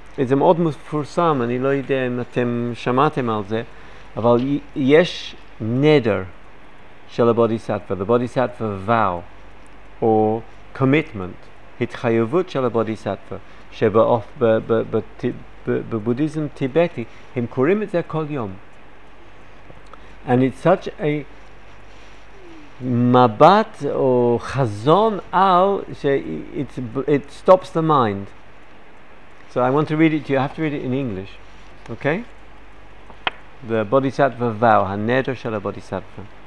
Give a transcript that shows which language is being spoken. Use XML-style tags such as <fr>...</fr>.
<he>זה מאוד מפורסם, אני לא יודע אם אתם שמעתם על זה, אבל יש נדר של הבודיסטווה,</he> <en>the bodhisattva vow or commitment,</en> <he>התחייבות של הבודיסטווה, שבאוף בבודהיזם טיבטי הם קוראים את זה כל יום,</he> <en>and it's such a</en> <he>מבט או חזון על</he> <en>it stops the mind. So I want to read it to you. I have to read it in English, okay? The Bodhisattva vow,</en> <he>הנדר של הבודיסטווה.</he>